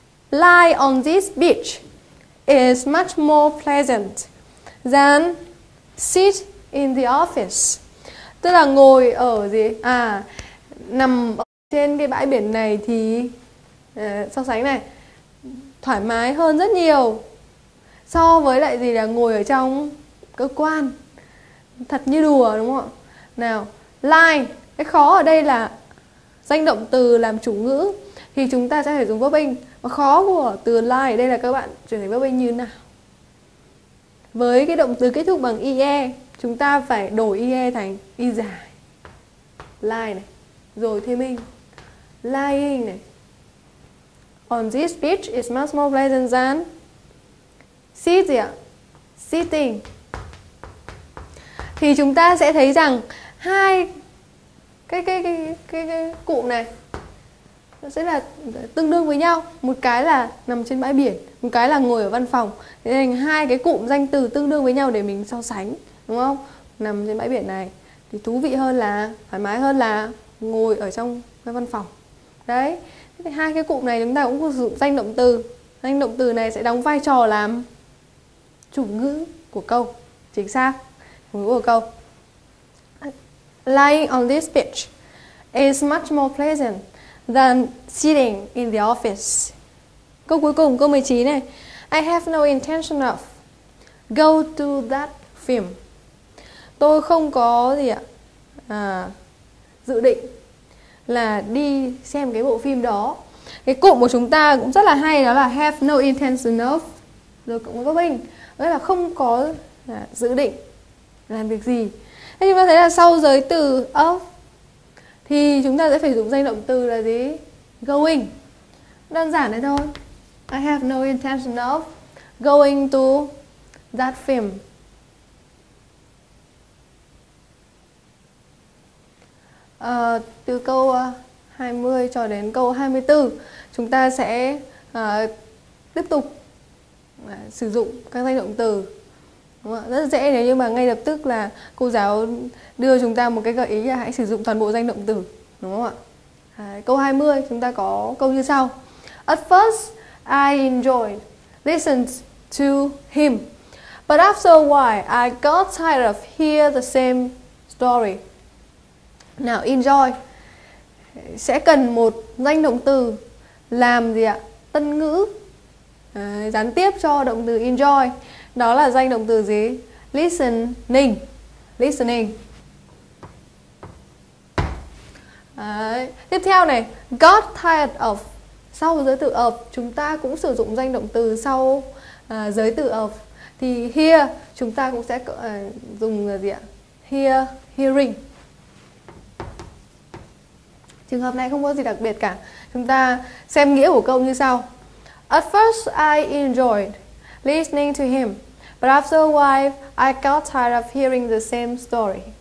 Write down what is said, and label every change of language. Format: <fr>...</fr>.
<en>Lie on this beach is much more pleasant than sit in the office.</en> <vi>Tức là ngồi ở gì? À, nằm ở trên cái bãi biển này thì so sánh này thoải mái hơn rất nhiều so với lại gì là ngồi ở trong cơ quan. Thật như đùa đúng không ạ? Nào, lie, cái khó ở đây là danh động từ làm chủ ngữ thì chúng ta sẽ phải dùng verb in. Và khó của từ lie ở đây là các bạn chuyển thành verb in như nào? Với cái động từ kết thúc bằng ie, chúng ta phải đổi ie thành y dài. Lie này. Rồi thêm in. Lying này.</vi> <en>On this beach is much more pleasant than sit</en> <vi>gì ạ?</vi> <en>Sitting.</en> <vi>Thì chúng ta sẽ thấy rằng hai cái cụm này nó sẽ là tương đương với nhau. Một cái là nằm trên bãi biển, một cái là ngồi ở văn phòng. Thế nên hai cái cụm danh từ tương đương với nhau để mình so sánh, đúng không? Nằm trên bãi biển này thì thú vị hơn là, thoải mái hơn là ngồi ở trong cái văn phòng. Đấy, thế thì hai cái cụm này chúng ta cũng sử dụng danh động từ. Danh động từ này sẽ đóng vai trò làm chủ ngữ của câu. Chính xác, chủ ngữ của câu.</vi> <en>Lying on this beach is much more pleasant than sitting in the office.</en> <vi>Câu cuối cùng, câu 19 này.</vi> <en>I have no intention of go to that film.</en> <vi>Tôi không có gì ạ? À, dự định là đi xem cái bộ phim đó. Cái cụm của chúng ta cũng rất là hay, đó là have no intention of, rồi cũng có mình, nghĩa là không có dự định làm việc gì. Thế chúng ta thấy là sau giới từ of thì chúng ta sẽ phải dùng danh động từ là gì?</vi> <en>Going.</en> <vi>Đơn giản đấy thôi.</vi> <en>I have no intention of going to that film.</en> <vi>Từ câu 20 cho đến câu 24 chúng ta sẽ tiếp tục sử dụng các danh động từ. Rất dễ nếu như mà ngay lập tức là cô giáo đưa chúng ta một cái gợi ý là hãy sử dụng toàn bộ danh động từ, đúng không ạ? Câu 20 chúng ta có câu như sau.</vi> <en>At first I enjoyed listened to him, but after a while I got tired of hear the same story.</en> <vi>Now enjoy sẽ cần một danh động từ làm gì ạ? Tân ngữ gián tiếp cho động từ enjoy, đó là danh động từ gì?</vi> <en>Listening. Listening.</en> <vi>Đấy. Tiếp theo này, got tired of. Sau giới từ of, chúng ta cũng sử dụng danh động từ sau giới từ of. Thì hear, chúng ta cũng sẽ dùng là gì ạ?</vi> <en>Hear, hearing.</en> <vi>Trường hợp này không có gì đặc biệt cả. Chúng ta xem nghĩa của câu như sau.</vi> <en>At first I enjoyed listening to him, but after a while I got tired of hearing the same story.</en>